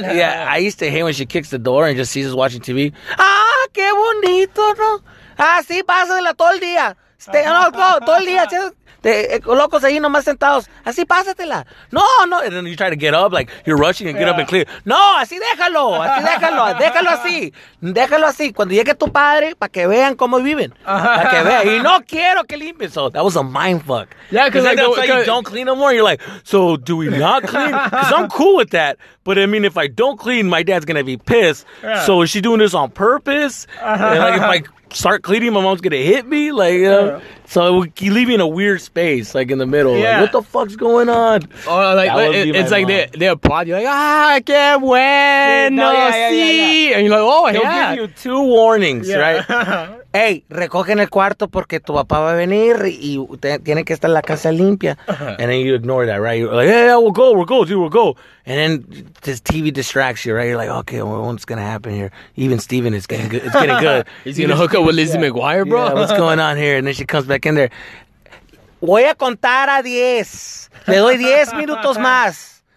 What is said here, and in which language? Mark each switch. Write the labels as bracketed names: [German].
[English] Yeah, I used to hate when she kicks the door and just sees us watching TV. [Spanish] Ah, qué bonito, ¿no? Así pasa de la todo el día. Todo el día, locos ahí nomás sentados. Así pásatela. No, no. [English] And then you try to get up, like, you're rushing and get up and clear. [Spanish] No, así déjalo. Así déjalo. Déjalo así. Déjalo así. Cuando llegue tu padre, para que vean cómo viven. Para que vean. Y no quiero que limpien. [English] So that was a mind fuck. Yeah, because like, that's why you don't clean no more. You're like, so do we not clean? Because I'm cool with that. But, I mean, if I don't clean, my dad's going to be pissed. Yeah. So is she doing this on purpose? And like, if I start cleaning, my mom's gonna hit me, like, you know. Yeah. So you leave me in a weird space, like in the middle. Yeah. Like, what the fuck's going on? Oh, like it's like they applaud you, like, [Spanish] ah, qué bueno, sí. [English] And you're like, oh, he'll yeah. give you two warnings, right? [Spanish] Hey, recoge en el cuarto porque tu papá va a venir y tiene que estar la casa limpia. [English] And then you ignore that, right? You're like, yeah, we'll go, dude, we'll go. And then this TV distracts you, right? You're like, okay, well, what's going to happen here? Even Steven is getting good. It's getting good. He's going to hook up with Lizzie McGuire, bro? Yeah, what's going on here? And then she comes back in there. [Spanish] Voy a contar a 10. Le doy 10 minutos más.